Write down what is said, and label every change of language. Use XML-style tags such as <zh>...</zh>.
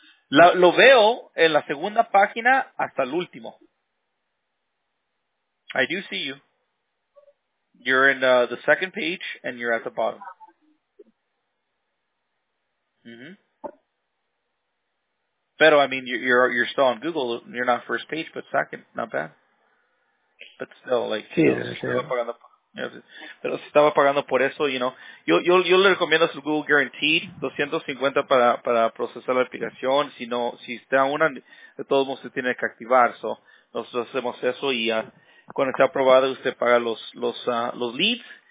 <es>Lo veo en la segunda página hasta el último.</es> <en>I do see you. You're in the second page and you're at the bottom. Mm-hmm. Pero, I mean, you're still on Google. You're not first page, but second. Not bad. But still, like,</en> <es>sí, you know, pero si estaba pagando por eso, you know. Yo le recomiendo su Google Guaranteed, 250 para procesar la aplicación. Si está una, de todos modos se tiene que activar. So, nosotros hacemos eso y cuando está aprobado, usted paga los leads.</es>